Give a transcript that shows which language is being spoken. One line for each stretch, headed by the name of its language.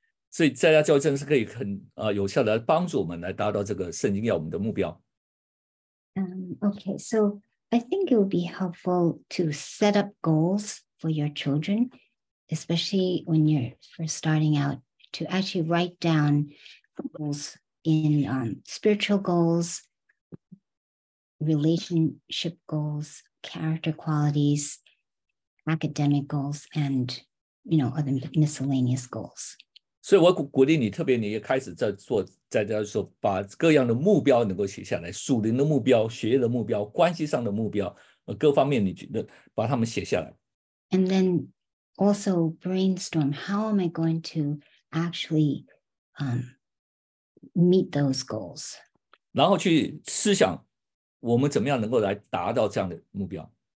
Chinese: 所以在家教育真是可以很有效的帮助我们来达到这个圣经要我们的目标。
English: Okay, so I think it would be helpful to set up goals for your children, especially when you're first starting out to actually write down goals in spiritual goals, relationship goals, character qualities, academic goals, and, you know, other miscellaneous goals.
Chinese: 所以我鼓励你，特别你也开始在做，在这说把各样的目标能够写下来，属灵的目标、学业的目标、关系上的目标，各方面你觉得把它们写下来。
English: And then also brainstorm, how am I going to actually meet those goals?
Chinese: 然后去思想我们怎么样能够来达到这样的目标。